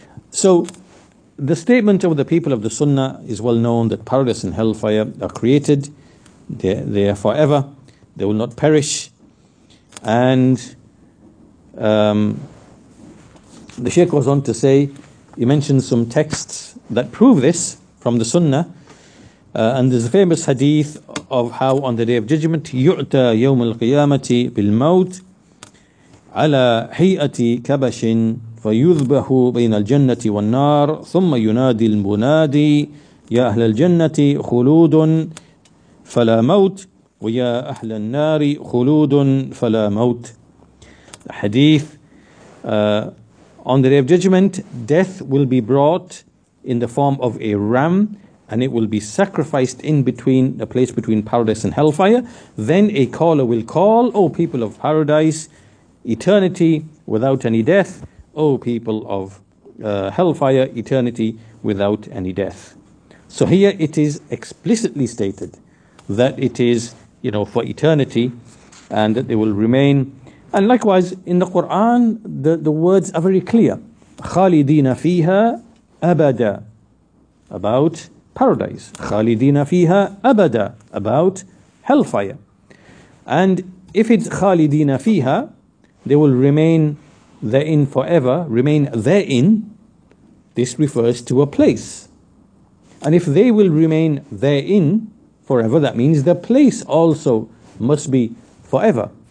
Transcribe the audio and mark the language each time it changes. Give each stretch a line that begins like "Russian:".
English: So the statement of the people of the Sunnah is well known, that paradise and hellfire are created, they are forever, they will not perish. And the Shaykh goes on to say, he mentions some texts that prove this from the Sunnah. And there's a famous hadith of how on the Day of Judgment,
Arabic: يُعْتَى يَوْمُ الْقِيَامَةِ بِالْمَوْتِ عَلَىٰ حِيَأَةِ كَبَشٍ فَيُذْبَهُ بَيْنَ الْجَنَّةِ وَالنَّارِ ثُمَّ يُنَادِي الْمُنَادِي يَا أَهْلَ الْجَنَّةِ خُلُودٌ فَلَا مَوْتِ وَيَا أَهْلَ النَّارِ خُلُودٌ فَلَا مَوْتِ.
English: Hadith, on the Day of Judgment, death will be brought in the form of a ram, and it will be sacrificed in between a place between paradise and hellfire. Then a caller will call, O people of paradise, eternity without any death. O people of hellfire, eternity without any death. So here it is explicitly stated that it is, you know, for eternity, and that they will remain. And likewise, in the Quran, the words are very clear.
Arabic: خَالِدِينَ فِيهَا أَبَدًا,
English: about paradise.
Arabic: خَالِدِينَ فِيهَا أَبَدًا,
English: about hellfire. And if it's
Arabic: خَالِدِينَ فِيهَا,
English: they will remain therein forever, remain therein. This refers to a place. And if they will remain therein forever, that means the place also must be forever.